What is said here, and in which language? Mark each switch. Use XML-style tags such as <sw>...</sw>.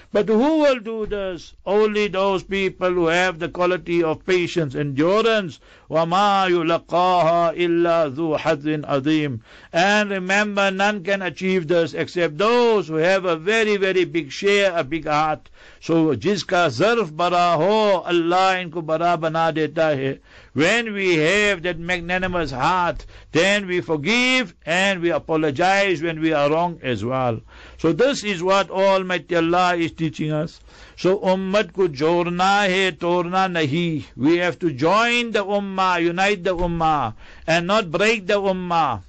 <en>But who will do this? Only those people who have the quality of patience, endurance.</en> <ar>وَمَا يُلَقَّاهَا إِلَّا ذُو حَظٍ عَظِيمٍ.</ar> <en>And remember, none can achieve this except those who have a very, very big share, a big heart.</en> <ur>So, جِسْكَ ظَرْف بَرَا هُو. Allah inko bara bana deta hai.</ur> <en>When we have that magnanimous heart, then we forgive and we apologize when we are wrong as well. So this is what Almighty Allah is teaching us. So</en> <ur>ummat ko jorna hai, torna nahi.</ur> <en>We have to join the ummah, unite the ummah, and not break the ummah.</en>